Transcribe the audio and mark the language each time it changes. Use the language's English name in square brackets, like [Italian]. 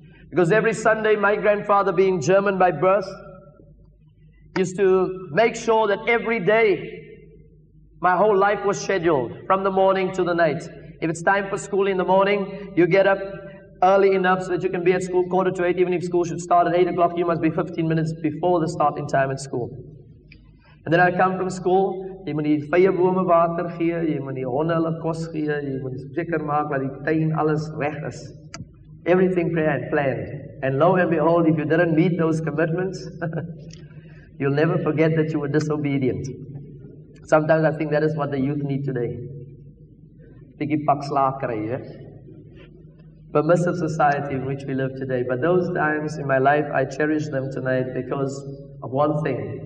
[English] Because every Sunday, my grandfather, being German by birth, used to make sure that every day my whole life was scheduled from the morning to the night. If it's time for school in the morning, you get up early enough so that you can be at school 7:45. Even if school should start at 8 o'clock, you must be 15 minutes before the starting time at school. And then I come from school. [Afrikaans] Jy moet die vye bome water gee, jy moet die honde hulle kos gee, jy moet seker maak dat die tuin alles reg is. [English] Everything planned. And lo and behold, if you didn't meet those commitments, you'll never forget that you were disobedient. Sometimes I think that is what the youth need today. [Afrikaans] Dikke pak slaag kry, hè? [English] Permissive society in which we live today. But those times in my life, I cherish them tonight because of one thing.